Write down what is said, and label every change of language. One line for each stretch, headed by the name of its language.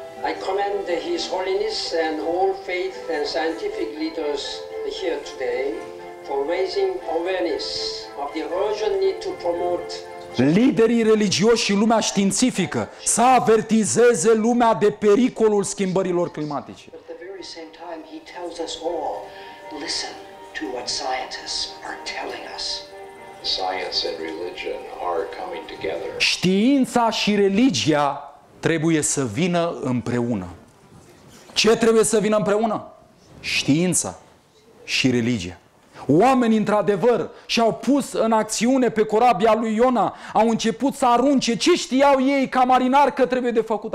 English: I commend His Holiness and all faith and scientific leaders here today for raising awareness of the urgent need to promote.
Romanian: Liderii religioși și lumea științifică să avertizeze lumea de pericolul schimbărilor climatice.
English: At the very same time he tells us all, listen to what scientists are telling us. Science and religion are coming together.
Romanian: Știința și religia trebuie să vină împreună. Ce trebuie să vină împreună? Știința și religia. Oamenii, într-adevăr, și-au pus în acțiune pe corabia lui Iona, au început să arunce ce știau ei ca marinari că trebuie de făcut.